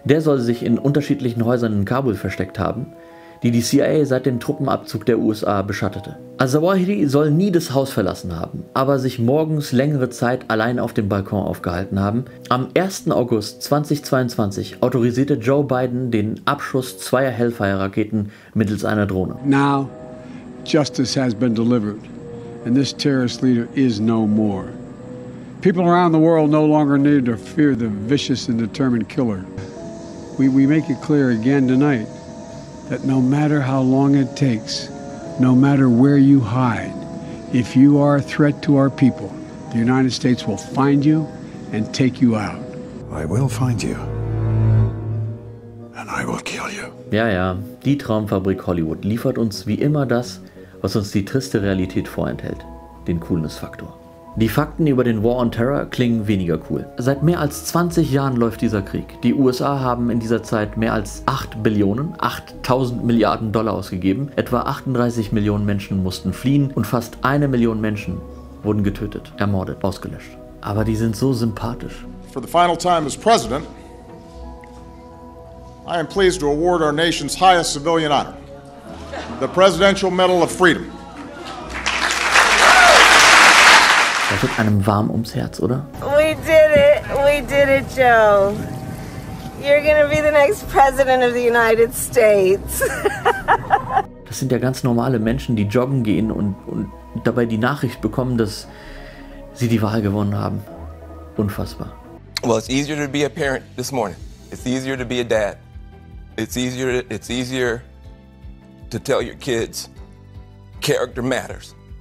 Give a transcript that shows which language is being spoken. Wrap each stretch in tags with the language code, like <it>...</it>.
<de>Der soll sich in unterschiedlichen Häusern in Kabul versteckt haben, die die CIA seit dem Truppenabzug der USA beschattete. Al-Zawahiri soll nie das Haus verlassen haben, aber sich morgens längere Zeit allein auf dem Balkon aufgehalten haben. Am 1. August 2022 autorisierte Joe Biden den Abschuss zweier Hellfire-Raketen mittels einer Drohne.</de> <en>Now, justice has been delivered, and this terrorist leader is no more. People around the world no longer need to fear the vicious and determined killer. We make it clear again tonight that no matter how long it takes, no matter where you hide, if you are a threat to our people, the United States will find you and take you out. I will find you. And I will kill you.</en> <de>Ja, ja, die Traumfabrik Hollywood liefert uns wie immer das, was uns die triste Realität vorenthält, den Coolness-Faktor. Die Fakten über den War on Terror klingen weniger cool. Seit mehr als 20 Jahren läuft dieser Krieg. Die USA haben in dieser Zeit mehr als 8.000 Milliarden Dollar ausgegeben. Etwa 38 Millionen Menschen mussten fliehen und fast 1 Million Menschen wurden getötet, ermordet, ausgelöscht. Aber die sind so sympathisch.</de> <en>For the final time as president, I am pleased to award our nation's highest civilian honor, the Presidential Medal of Freedom.</en> <de>Das wird einem warm ums Herz, oder?</de> <en>We did it, Joe. You're gonna be the next president of the United States.</en> <de>Das sind ja ganz normale Menschen, die joggen gehen und dabei die Nachricht bekommen, dass sie die Wahl gewonnen haben. Unfassbar.</de> <en>Well, it's easier to be a parent this morning. It's easier to be a dad. It's easier to tell your kids, character matters.</en>